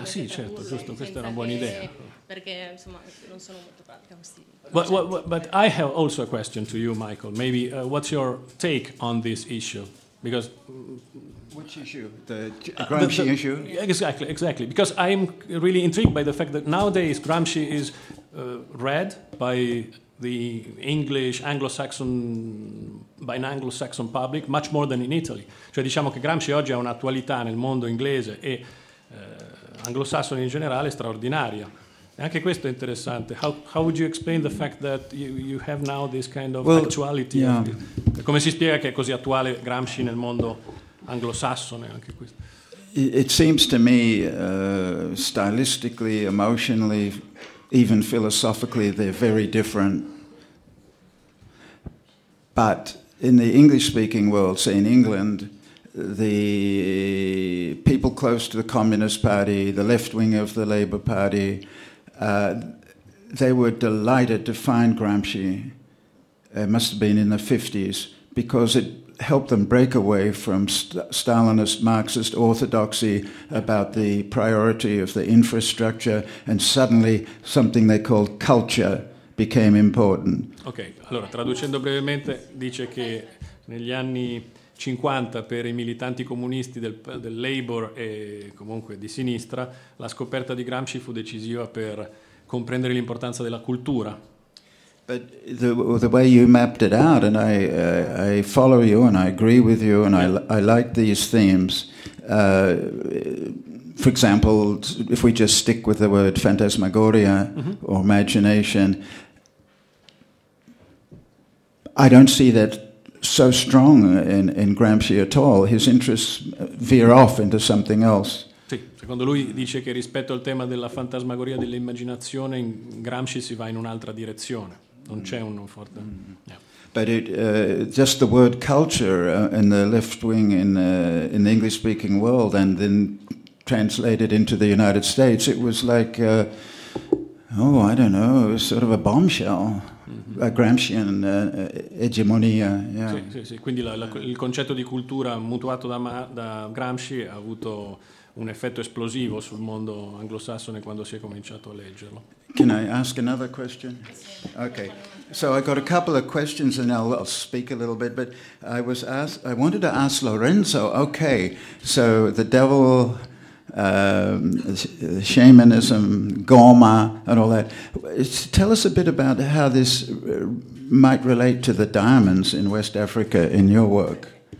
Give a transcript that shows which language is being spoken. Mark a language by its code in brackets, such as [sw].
[it] sì, certo, giusto, questa era una buona idea. Perché, insomma, non sono molto pratica questi... [en] But I have also a question to you, Michael. Maybe, what's your take on this issue? Because... Which issue? The Gramsci issue? Yeah, exactly. Because I'm really intrigued by the fact that nowadays Gramsci is read by the English, Anglo-Saxon, by an Anglo-Saxon public, much more than in Italy. [it] Cioè, diciamo che Gramsci oggi ha un'attualità nel mondo inglese e... anglosassone in generale è straordinaria. E anche questo è interessante. [en] How would you explain the fact that you have now this kind of actuality? Yeah. [it] Come si spiega che è così attuale Gramsci nel mondo anglosassone? Anche questo. [en] It seems to me, stylistically, emotionally, even philosophically, they're very different. But in the English-speaking world, say in England, the people close to the Communist Party, the left wing of the Labour Party, they were delighted to find Gramsci. It must have been in the 50s, because it helped them break away from Stalinist Marxist orthodoxy about the priority of the infrastructure, and suddenly something they called culture became important. [it] Okay, allora, traducendo brevemente, dice che negli anni 50 per i militanti comunisti del Labour e comunque di sinistra, la scoperta di Gramsci fu decisiva per comprendere l'importanza della cultura. [en] But the way you mapped it out, and I follow you and I agree with you and I like these themes. For example, if we just stick with the word phantasmagoria, mm-hmm. or imagination, I don't see that so strong in Gramsci at all. His interests veer off into something else. [it] Sì, secondo lui dice che rispetto al tema della fantasmagoria dell'immaginazione, in Gramsci si va in un'altra direzione. Non c'è un forte. [en] But it, just the word culture in the left wing in the English speaking world, and then translated into the United States, it was like, I don't know, sort of a bombshell. A Gramscian egemonia. Yeah. [it] Sì, quindi il concetto di cultura mutuato da Gramsci ha avuto un effetto esplosivo sul mondo anglosassone quando si è cominciato a leggerlo. [en] Can I ask another question? Okay. So I got a couple of questions and I'll speak a little bit, but I wanted to ask Lorenzo, okay, so the devil, shamanism, Goma, and all that. Tell us a bit about how this might relate to the diamonds in West Africa in your work.